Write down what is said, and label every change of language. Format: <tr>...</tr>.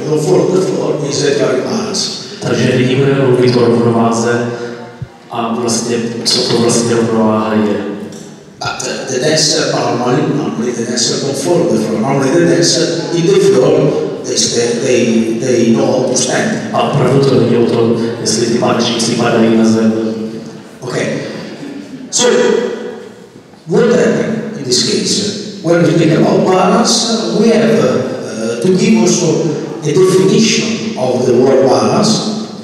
<en>You don't fall on the floor means that you are in balance.</en> <cs>Takže nyní budeme mluvit o rovnováze a vlastně, co to vlastně rovnováha je.</cs> <en>But the dancer, normally the dancer don't fall on the floor. Normally the dancer, in the floor, they know how to stand.</en> <cs>A opravdu to není o tom, jestli ty balečníci padají na zem.</cs> <en>Okay. So, what happened in this case? When we think about balance, we have to give also a definition of the word balance.</en>